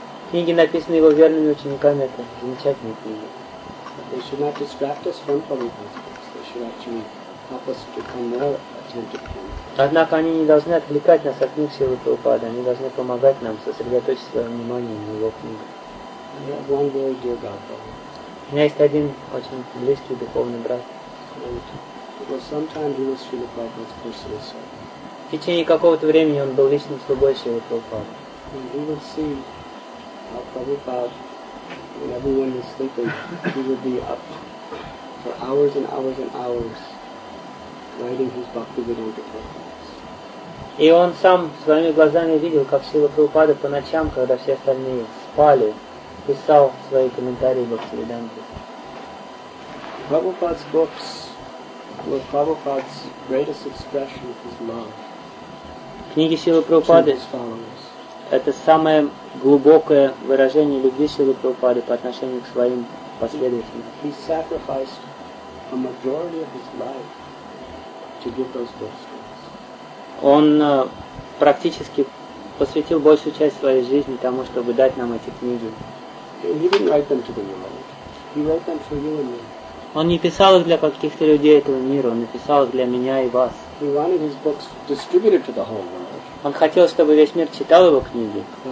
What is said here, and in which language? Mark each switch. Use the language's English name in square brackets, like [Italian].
[Russian] Книги, написанные его верными учениками, это замечательные книги. [English] They should not distract us from Prabhupada's books. They should actually help us to become more attentive to them. [Russian] Однако они не должны отвлекать нас от книг Шрилы Прабхупады. Они должны помогать нам сосредоточить свое внимание на его книгах. [English] I have one very dear godfather. [Russian] У меня есть один очень близкий духовный брат. [English] Sometimes he was Shrila Prabhupada's personal servant. [Russian] В течение какого-то времени он был личным слугой Шрилы Прабхупады. [English] And he would see how Prabhupada, when everyone is sleeping, he would be up for hours and hours and hours writing his Bhaktivedanta programs. [Russian] И он сам своими глазами видел, как Шрила Прабхупада по ночам, когда все остальные спали, писал свои комментарии Бхактивиданте. [English] Prabhupada's books were Prabhupada's greatest expression of his love. [Russian] Книги Шрилы Прабхупады — это самое глубокое выражение любви Шрилы Прабхупады по отношению к своим последователям. [English] He sacrificed a majority of his life to give those books. [Russian] Он практически посвятил большую часть своей жизни тому, чтобы дать нам эти книги. [English] He didn't write them to the world. He wrote them for you and me. [Russian] Он не писал их для каких-то людей этого мира, он написал их для меня и вас. [English] He wanted his books distributed to the whole world. [Russian] Он хотел, чтобы весь мир читал его книги.